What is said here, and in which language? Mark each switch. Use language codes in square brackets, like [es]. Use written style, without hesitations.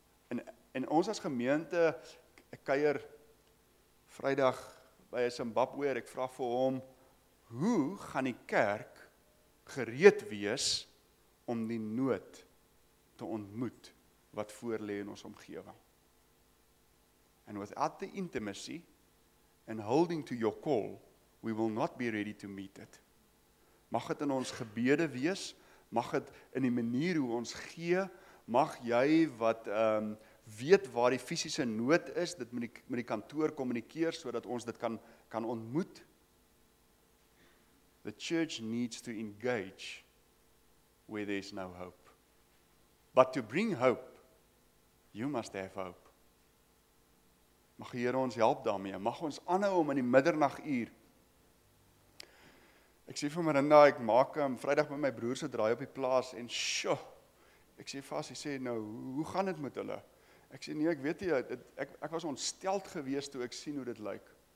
[af] En ons as gemeente, ek kuier Vrydag by 'n Zimbabwe, ek vra vir hom, hoe gaan die kerk gereed wees om die nood te ontmoet wat voorlê in ons omgewing? [en] And without the intimacy and holding to your call, we will not be ready to meet it. [af] Mag het in ons gebede wees, mag het in die manier hoe ons gee, mag jy wat weet waar die fisiese nood is, dit met die kantoor kommunikeer, sodat ons dit kan ontmoet. [en] The church needs to engage where there is no hope. But to bring hope, you must have hope. [af] Mag die Here ons help daarmee, mag ons aanhou om in die middernaguur. Ek sê vir Marinda, ek maak Vrydag met my broer se draai op die plaas, en sjo, ek sê vas, hy sê, nou, hoe gaan dit met hulle? Ek sê, nee, ek weet nie, ek was ontsteld gewees toe ek sien hoe dit lyk.